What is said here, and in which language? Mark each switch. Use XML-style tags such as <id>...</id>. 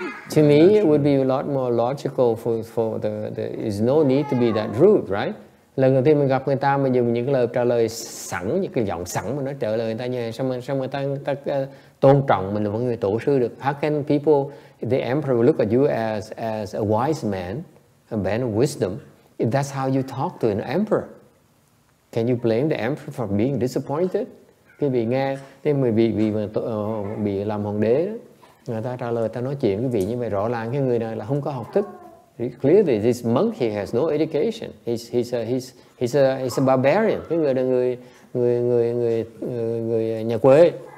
<en>To me, it would be a lot more logical for the. There's no need to be that rude, right?</en> <vi>Lần đầu tiên mình gặp người ta, mình dùng những cái lời trả lời sẵn, những cái giọng sẵn mà nó trả lời người ta như vậy, sao người ta tôn trọng mình là một người tổ sư được?</vi> <en>How can people, the emperor will look at you as a wise man, a man of wisdom, if that's how you talk to an emperor? Can you blame the emperor for being disappointed?</en> <vi>Khi bị nghe, thế mình bị làm hoàng đế đó. Người ta trả lời, ta nói chuyện với vị như vậy, rõ ràng cái người này là không có học thức.</vi> <en>Clearly, this monk, he has no education. He's a barbarian.</en> <vi>Cái người là người nhà quê.</vi>